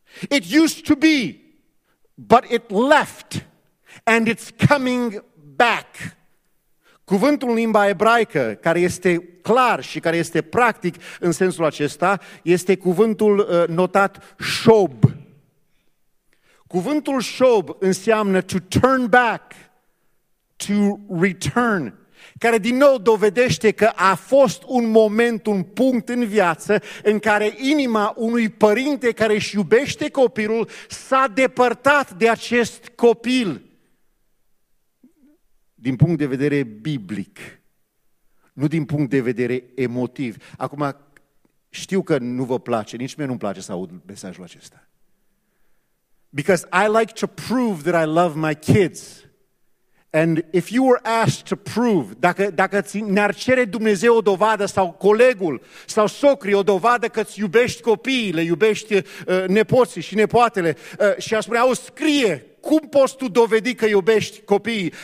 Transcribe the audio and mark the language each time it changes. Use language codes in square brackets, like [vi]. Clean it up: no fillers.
[en] It used to be, but it left and it's coming back. [ro] Cuvântul în limba ebraică, care este clar și care este practic în sensul acesta, este cuvântul notat shob. Cuvântul shob înseamnă [en] to turn back, to return, [ro] care din nou dovedește că a fost un moment, un punct în viață în care inima unui părinte care își iubește copilul s-a depărtat de acest copil. Din punct de vedere biblic, nu din punct de vedere emotiv. Acum, știu că nu vă place, nici mie nu-mi place să aud mesajul acesta. [en] Because I like to prove that I love my kids. And if you were asked to prove, [ro] dacă ne-ar cere Dumnezeu o dovadă sau colegul sau socrii o dovadă că îți iubești copiile, iubești nepoții și nepoatele și a spune, auzi, scrie! Cum poți tu dovedi că iubești copiii?